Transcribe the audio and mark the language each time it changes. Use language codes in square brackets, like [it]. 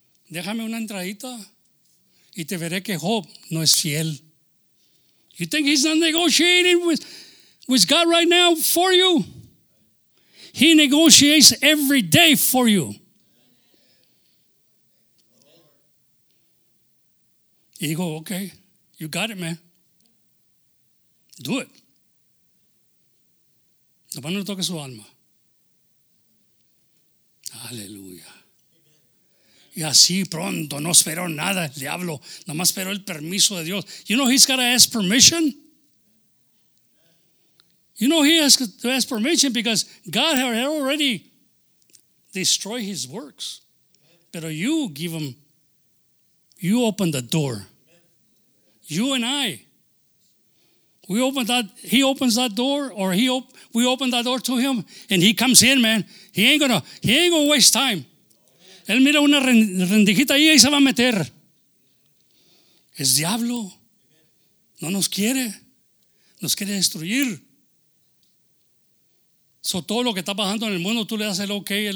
[es] Déjame una entradita y te veré que Job no es fiel. [en] You think he's not negotiating with God right now for you? He negotiates every day for you. [es] Y digo, [en] okay, you got it, man. Do it. [es] Nomás no toque su alma. Aleluya. Y así pronto, no esperó nada el diablo, nomás esperó el permiso de Dios. [en] You know he's got to ask permission. You know he has to ask permission because God had already destroyed his works. But you give him, you open the door. You and I, we open that, he opens that door or we open that door to him and he comes in, man. He ain't gonna waste time. [es] Él mira una rendijita ahí y se va a meter. Es diablo. No nos quiere. Nos quiere destruir. So, todo lo que está pasando en el mundo, tú le das el ok.